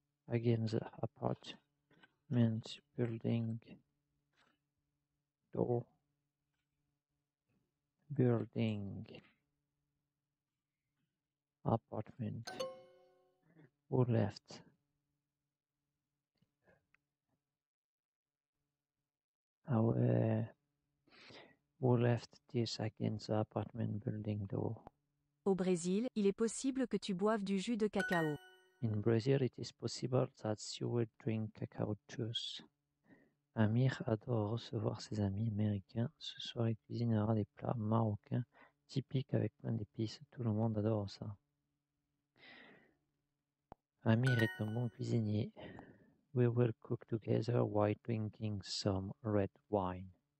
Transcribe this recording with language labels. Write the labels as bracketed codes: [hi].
[en] Against the apartment building door building apartment who left who left this against the apartment building door. [fr] Au Brésil, il est possible que tu boives du jus de cacao. [en] In Brazil, it is possible that you will drink cacao juice. [fr] Amir adore recevoir ses amis américains. Ce soir, il cuisinera des plats marocains typiques avec plein d'épices. Tout le monde adore ça. Amir est un bon cuisinier. [en] We will cook together while drinking some red wine.